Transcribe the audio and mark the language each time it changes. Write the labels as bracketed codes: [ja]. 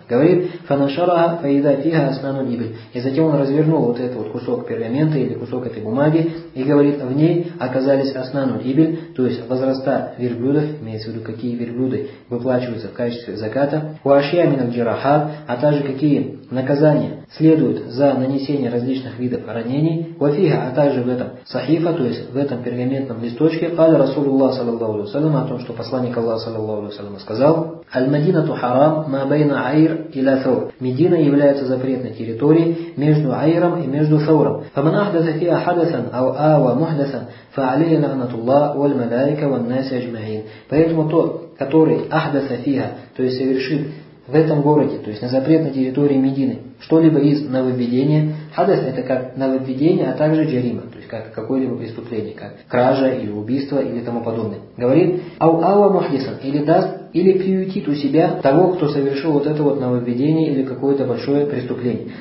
[ru] Говорит [ar] фанашара фаида фиха асману нибль. [ru] И затем он развернул вот этот вот кусок пергамента или кусок этой бумаги и говорит, в ней оказались асману нибль, то есть возраста верблюдов, имеется в виду, какие верблюды выплачиваются в качестве заката, [ar] уашья минал джарахат, [ru] а также какие наказания следует за нанесение различных видов ранений. Вафига, а также в этом сахифа, то есть в этом пергаментном листочке, [ar] قال رسول الله صلى الله عليه وسلم, [ru] о том, что посланник Аллаха [ar] صلى الله عليه وسلم [ru] сказал, [ar] المدينة حرام ما بين عير إلى ثور. [ru] Медина является запретной территорией между عيرом и между ثوром. [ar] فمن أحدث فيها حدثا أو آوى محدثا فعليه لعنة الله والملائكة والناس أجمعين. [ru] Поэтому тот, который [ar] أحدث فيها, [ru] то есть совершит в этом городе, то есть на запретной территории Медины, что-либо из нововведения. Хадас – это как нововведение, а также джарима, то есть как какое-либо преступление, как кража или убийство или тому подобное. Говорит [ar] «Ау-ауа мухлисан» [ru] или «даст», или приютит у себя того, кто совершил вот это вот нововведение или какое-то большое преступление.